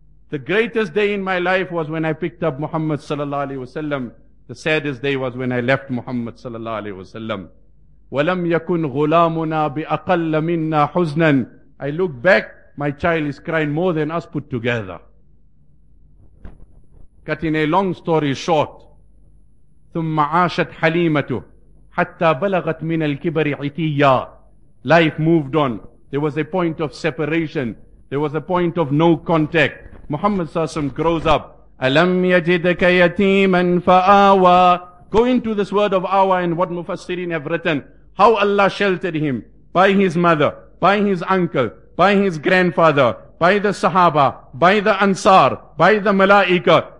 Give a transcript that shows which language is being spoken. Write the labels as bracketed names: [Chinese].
[English] The greatest day in my life was when I picked up Muhammad sallallahu alayhi wa sallam. The saddest day was when I left Muhammad sallallahu alayhi wa sallam. [Arabic] Walam yakun ghulamuna bi aqalla minna huznan. [English] I look back, My child is crying more than us put together. Cutting a long story short. [Arabic] ثم عاشت حليمته حتى بلغت من الكبر عتيا. [English] Life moved on. There was a point of separation. There was a point of no contact. Muhammad Sassam grows up. [Arabic] أَلَمْ يَجِدَكَ يَتِيمًا فَآوَى. [English] Go into this word of awa and what Mufassirin have written. How Allah sheltered him by his mother, by his uncle, by his grandfather, by the Sahaba, by the Ansar, by the Malaika.